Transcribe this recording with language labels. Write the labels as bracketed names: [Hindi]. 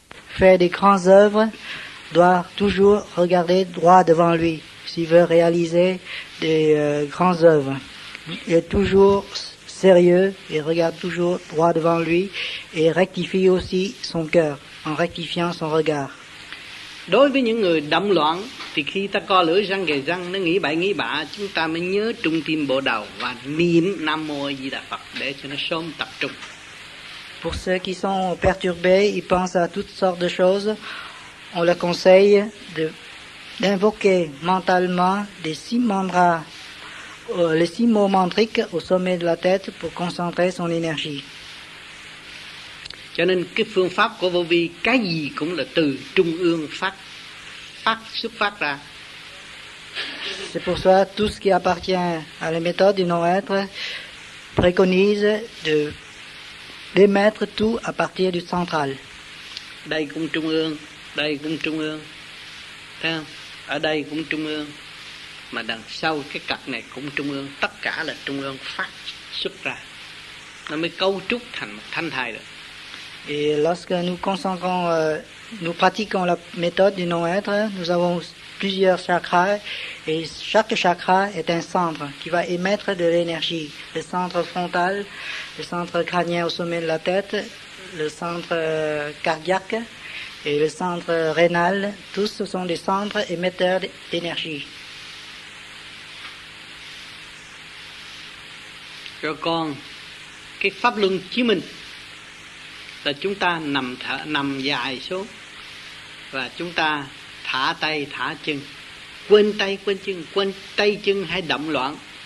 [French] fait des grandes œuvres doit toujours regarder droit devant lui s'il veut réaliser des grandes œuvres. Il est toujours sérieux et regarde toujours droit devant lui et rectifie aussi son cœur en rectifiant son regard. [Vietnamese] Đối với những người đâm loạn thì khi ta co lưỡi răng kề răng nó nghĩ bạ chúng ta mới nhớ trung tâm bộ đầu và niệm Nam Mô Di Đà Phật để cho nó sớm tập trung. [French] Pour ceux qui sont perturbés, ils pensent à toutes sortes de choses, on leur conseille d'invoquer mentalement des six mantras, les six mots mantriques au sommet de la tête pour concentrer son énergie. [Vietnamese] Cho nên cái phương pháp của Vô Vi, cái gì cũng là từ trung ương phát xuất phát ra. [French] C'est pour ça tout ce qui appartient à la méthode du non-être préconise de démettre tout à partir du central. [Vietnamese] Đây cũng trung ương, đây cũng trung ương. Thấy không? Ở đây cũng trung ương. Mà đằng sau cái cặp này cũng trung ương, tất cả là trung ương phát xuất ra. Nó mới cấu trúc thành một thanh thai được. [French] Et lorsque nous concentrons, nous pratiquons la méthode du non-être, nous avons plusieurs chakras et chaque chakra est un centre qui va émettre de l'énergie. Le centre frontal, le centre crânien au sommet de la tête, le centre cardiaque et le centre rénal, tous ce sont des centres émetteurs d'énergie. [Vietnamese] Rồi còn cái pháp luân chiếu mình là chúng ta nằm thở, nằm dài xuống và chúng ta thả tay thả chân, quên tay quên chân, quên tay chân hay động loạn